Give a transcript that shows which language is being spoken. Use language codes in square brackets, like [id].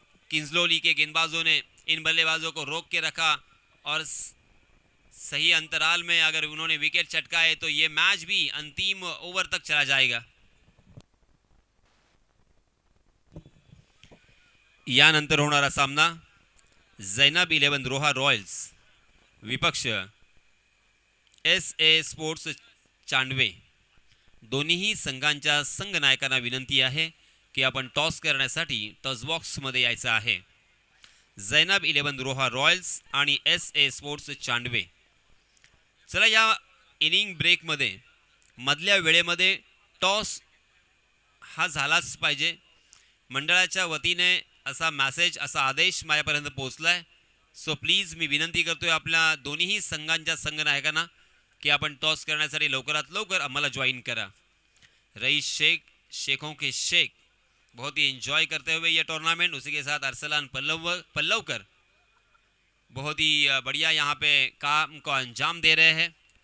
[hi] किंजलोली के गेंदबाजों ने इन बल्लेबाजों को रोक के रखा और सही अंतराल में अगर उन्होंने विकेट चटकाए तो ये मैच भी अंतिम ओवर तक चला जाएगा। [mr] यान अंतर होने वाला सामना, जैनब 11 रोहा रॉयल्स, विपक्ष एस ए स्पोर्ट्स चांडवे। दोन्ही ही संघांच्या संघनायकांना विनंती आहे की आपण टॉस करण्यासाठी टॉस बॉक्समध्ये यायचं आहे। जैनब 11 रोहा रॉयल्स आणि एस ए स्पोर्ट्स चांडवे। चला या इनिंग ब्रेकमध्ये मधल्या वेळेमध्ये टॉस हा झालाच पाहिजे मंडळाच्या वतीने, असा मॅसेज, असा आदेश माझ्यापर्यंत पोचलाय। सो प्लीज मी विनंती करतोय आपल्या दोन्हीही संघांच्या संघनायकांना कि आपण टॉस करण्यासाठी लवकरात लवकर आम्हाला जॉईन करा। [hi] रईस शेख, शेखों के शेख, बहुत ही एन्जॉय करते हुए यह टूर्नामेंट, उसी के साथ अरसलान पल्लवकर बहुत ही बढ़िया यहाँ पे काम को अंजाम दे रहे हैं।